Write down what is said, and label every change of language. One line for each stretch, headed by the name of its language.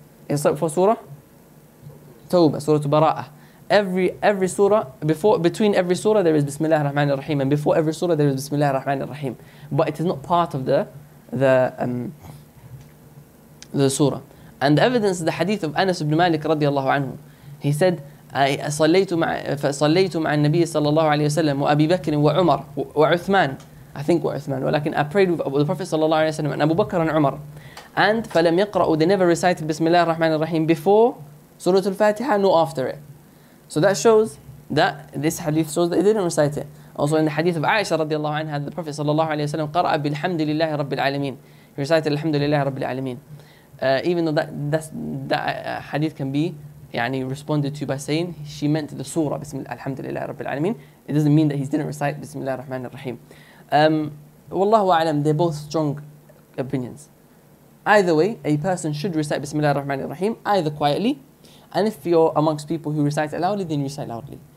English: It's like for surah Tawbah, Surah Bara'ah. Every surah, between every surah there is Bismillah ar-Rahman ar-Rahim, and before every surah there is Bismillah ar-Rahman ar-Rahim. But it is not part of the surah. And the evidence is the hadith of Anas ibn Malik radiallahu anhu. He said,
Arabic: فصليت مع النبي صلى الله عليه وسلم وأبي بكر وعمر وعثمان.
English: I think
Arabic: وعثمان. ولكن
English: I prayed with the Prophet صلى الله عليه وسلم and Abu Bakr and Umar. And
Arabic: فلم يقرأوا,
English: they never recited
Arabic: بسم الله الرحمن الرحيم
English: before
Arabic: سورة الفاتحة
English: nor after it. So that shows that this hadith shows that they didn't recite it. Also in the hadith of Aisha
Arabic: رضي الله عنها,
English: the Prophet صلى الله عليه وسلم
Arabic: قرأ بالحمد لله رب العالمين.
English: He recited
Arabic: الحمد لله رب العالمين.
English: Even though that hadith can be responded to by saying she meant the surah Bismillah Alhamdulillah Rabbil Alameen, it doesn't mean that he didn't recite Bismillah Ar-Rahman Ar-Rahim. Wallahu A'lam, they're both strong opinions. Either way, a person should recite Bismillah Ar-Rahman Ar-Rahim either quietly, and if you're amongst people who recite it loudly, then you recite loudly.